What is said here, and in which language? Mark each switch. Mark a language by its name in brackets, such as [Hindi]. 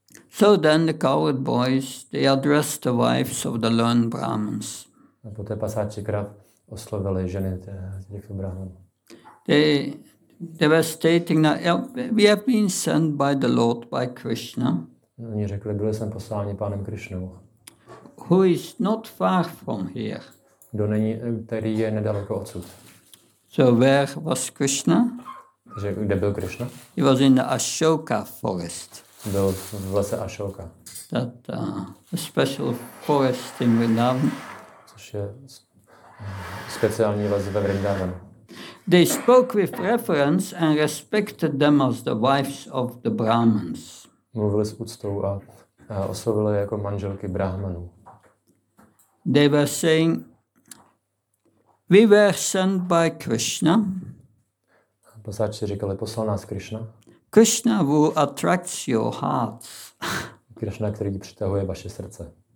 [English] So then the coward boys, they addressed the wives of the learned Brahmins. [Czech] A poté pasáči krav oslovili ženy těch Brahmanů. [English] They were stating that we have been sent by the Lord, by Krishna. [Czech] Oni řekli, byli jsem posláni pánem Krishnou. [English] Who is not far from here. [Czech] Který je nedaleko odsud. [English] So where was Krishna? [Czech] Takže kde byl Krishna? [English] He was in the Ashoka forest. [Czech] Byl v lese Ashoka. [English] That special forest in Vrindavan. [Czech] Což je speciální les ve Vrindavanu. [English] They spoke with reference and respected them as the wives of the Brahmins. [Czech] Mluvili s úctou a oslovili jako manželky Brahmanů. [English] They were saying, we were sent by Krishna. [Czech] Pasáči říkali, poslal nás Krishna. [English] Krishna who attracts your hearts. [Czech] Krishna, který přitahuje vaše srdce.